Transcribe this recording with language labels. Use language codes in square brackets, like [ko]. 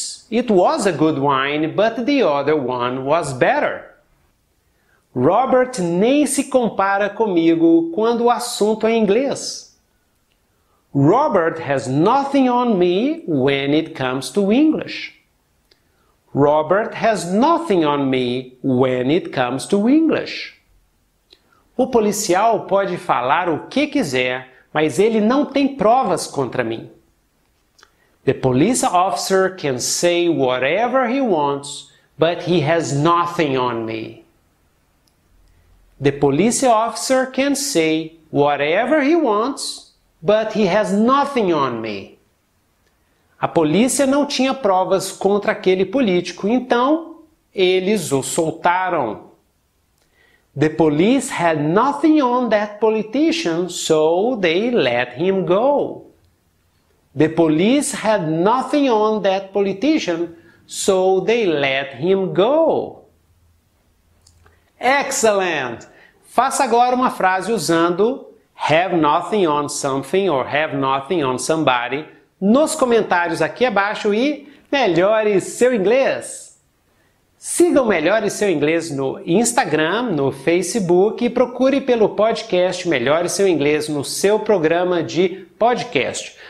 [en] It was a good wine, but the other one was better. [pt] Robert nem se compara comigo quando o assunto é inglês. [en] Robert has nothing on me when it comes to English. Robert has nothing on me when it comes to English. [pt] O policial pode falar o que quiser, mas ele não tem provas contra mim. [en] The police officer can say whatever he wants, but he has nothing on me. The police officer can say whatever he wants, but he has nothing on me. [pt] A polícia não tinha provas contra aquele político, então eles o soltaram. [en] The police had nothing on that politician, so they let him go. The police had nothing on that politician, so they let him go. Excellent! [pt] Faça agora uma frase usando [en] have nothing on something or have nothing on somebody [pt] nos comentários aqui abaixo e melhore seu inglês! Siga o Melhore Seu Inglês no Instagram, no Facebook e procure pelo podcast Melhore Seu Inglês no seu programa de podcast.